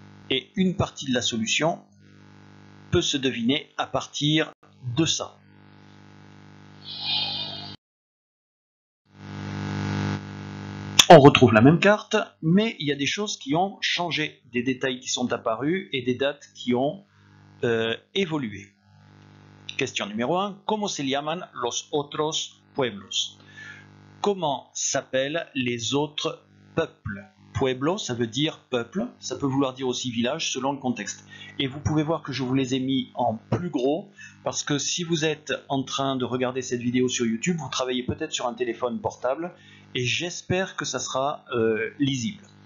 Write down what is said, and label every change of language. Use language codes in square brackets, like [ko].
[fr] Et une partie de la solution peut se deviner à partir de ça. On retrouve la même carte, mais il y a des choses qui ont changé, des détails qui sont apparus et des dates qui ont évolué. Question numéro 1. [es] ¿Cómo se llaman los otros pueblos? [fr] Comment s'appellent les autres peuples? Pueblo, ça veut dire peuple, ça peut vouloir dire aussi village selon le contexte. Et vous pouvez voir que je vous les ai mis en plus gros, parce que si vous êtes en train de regarder cette vidéo sur YouTube, vous travaillez peut-être sur un téléphone portable, et j'espère que ça sera lisible.